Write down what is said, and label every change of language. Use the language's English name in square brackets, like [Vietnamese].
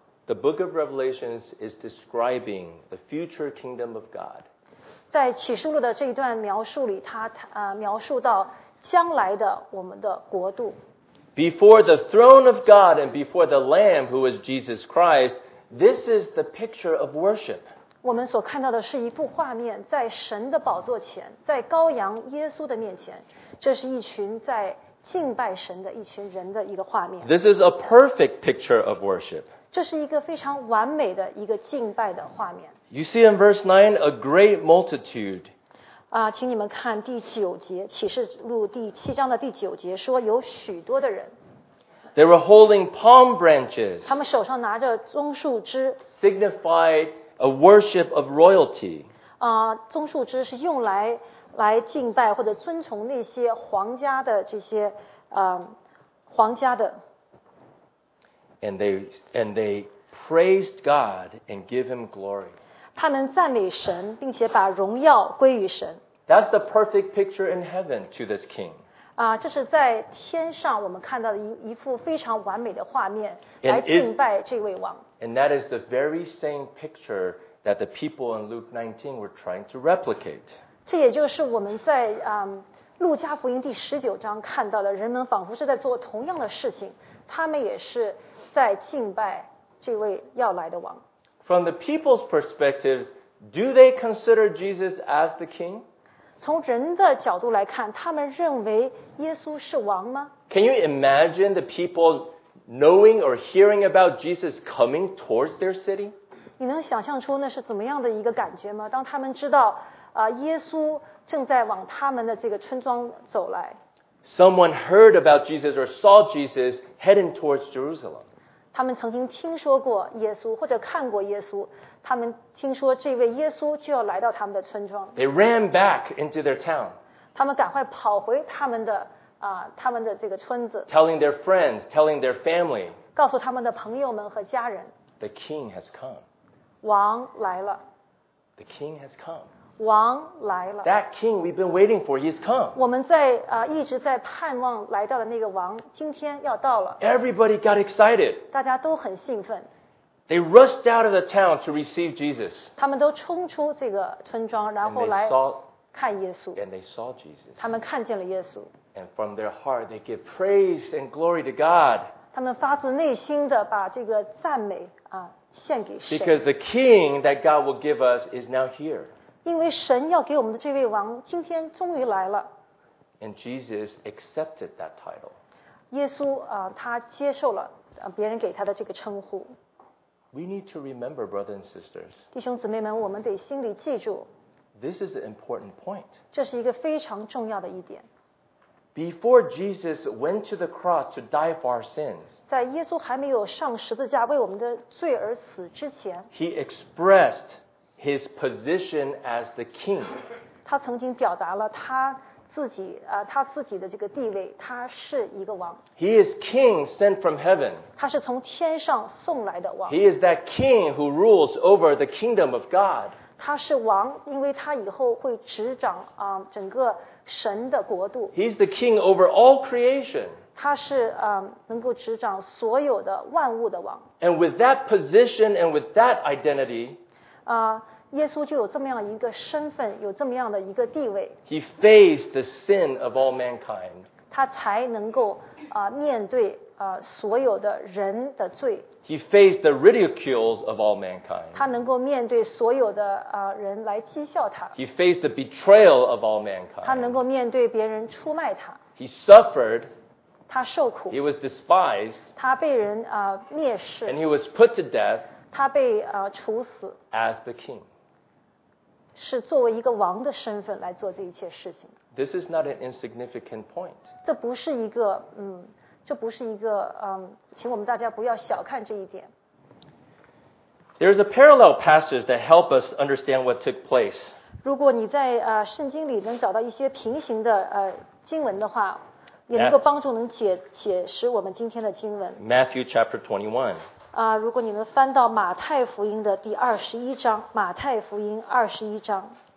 [English] The book of Revelations is describing the future kingdom of God. [Chinese] 在启示录的这一段描述里，它描述到将来的我们的国度。 [English] Before the throne of God and before the Lamb, who is Jesus Christ, this is the picture of worship. [Chinese] 我们所看到的是一幅画面，在神的宝座前，在羔羊耶稣的面前，这是一群在敬拜神的一群人的一个画面。 [English] This is a perfect picture of worship. [Chinese] 这是一个非常完美的一个敬拜的画面。 [English] You see in verse 9, a great multitude. [Chinese] 请你们看第九节，启示录第七章的第九节，说有许多的人。 [English] They were holding palm branches. [Chinese] 他们手上拿着棕树枝。 [English] Signified a worship of royalty. [Chinese] 棕树枝是用来敬拜或者遵从那些皇家的这些皇家的。 [English] And they praised God and give him glory. [Chinese] 他们赞美神，并且把荣耀归于神。 [English] That's the perfect picture in heaven to this king. [Chinese] 这是在天上我们看到的一幅非常完美的画面，来敬拜这位王。 [English] And that is the very same picture that the people in Luke 19 were trying to replicate. [Chinese] 这也就是我们在路加福音第十九章看到的，人们仿佛是在做同样的事情，他们也是在敬拜这位要来的王。 [English] From the people's perspective, do they consider Jesus as the king? [Chinese] 从人的角度来看，他们认为耶稣是王吗？ [English] Can you imagine the people knowing or hearing about Jesus coming towards their city? [Chinese] 你能想象出那是怎么样的一个感觉吗？当他们知道耶稣正在往他们的这个村庄走来。 [English] Someone heard about Jesus or saw Jesus heading towards Jerusalem. [Chinese] 他们曾经听说过耶稣或者看过耶稣，他们听说这位耶稣就要来到他们的村庄。 [English] They ran back into their town. [Chinese] 他们赶快跑回他们的这个村子。 [English] Telling their friends, telling their family. [Chinese] 告诉他们的朋友们和家人。 [English] The king has come. [Chinese] 王来了。 [English] The king has come. [Chinese] 王来了。 [English] That king we've been waiting for, he's come. [Chinese] 我们在一直在盼望来到的那个王，今天要到了。 [English] Everybody got excited. [Chinese] 大家都很兴奋。 [English] They rushed out of the town to receive Jesus. [Chinese] 他们都冲出这个村庄，然后来看耶稣。 [English] And they saw Jesus. [Chinese] 他们看见了耶稣。 [English] And from their heart, they give praise and glory to God. [Chinese] 他们发自内心的把这个赞美献给神。 [English] Because the king that God will give us is now here. [Chinese] 因为神要给我们的这位王今天终于来了。 [English] And Jesus accepted that title. [Chinese] 耶稣他接受了别人给他的这个称呼。 [English] We need to remember, brothers and sisters. [Chinese] 弟兄姊妹们，我们得心里记住。 [English] This is an important point. [Chinese] 这是一个非常重要的一点。 [English] Before Jesus went to the cross to die for our sins, [Chinese] 在耶稣还没有上十字架为我们的罪而死之前， [English] He expressed. His position as the king. [Chinese] 他曾经表达了他自己他自己的这个地位，他是一个王。 [English] He is king sent from heaven. [Chinese] 他是从天上送来的王。 [English] He is that king who rules over the kingdom of God. [Chinese] 他是王，因为他以后会执掌整个神的国度。 [English] He is the king over all creation. [Chinese] 他是能够执掌所有的万物的王。 [English] And with that position and with that identity. [Chinese] 耶稣就有这么样一个身份，有这么样的一个地位。 [English] He faced the sin of all mankind. [Chinese] 他才能够面对所有的人的罪。 [English] He faced the ridicules of all mankind. [Chinese] 他能够面对所有的人来讥笑他。 [English] He faced the betrayal of all mankind. [Chinese] 他能够面对别人出卖他。 [English] He suffered. [Chinese] 他受苦。 [English] He was despised. [Chinese] 他被人蔑视。 [English] And he was put to death. [Chinese] 他被处死 [English] as the king [Chinese] 是作为一个王的身份来做这一切事情。 [English] This is not an insignificant point. [Chinese] 这不是一个这不是一个请我们大家不要小看这一点。 [English] There's a parallel passage that help us understand what took place. [Chinese] 如果你在圣经里能找到一些平行的经文的话，也能够帮助能解释我们今天的经文。 [English] Matthew chapter 21. [Chinese] 如果你能翻到马太福音的第二十一章，马太福音二十一章。